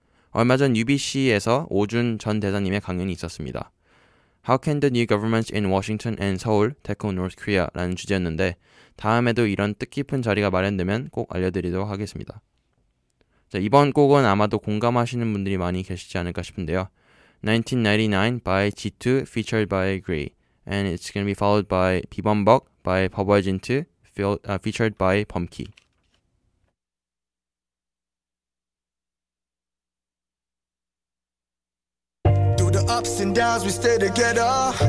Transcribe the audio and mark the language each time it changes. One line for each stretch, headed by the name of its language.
Korean: 얼마 전 UBC에서 오준 전 대사님의 강연이 있었습니다.
English: How can the new governments in Washington and Seoul tackle North Korea?
Korean: 라는 주제였는데 다음에도 이런 뜻깊은 자리가 마련되면 꼭 알려드리도록 하겠습니다. 이번 곡은 아마도 공감하시는 분들이 많이 계시지 않을까 싶은데요.
English: 1999 by G2 featured by Gray. And it's going to be followed by Bibeonbok by Bobojintu featured by Pumpkey. Ups and downs, we stay together.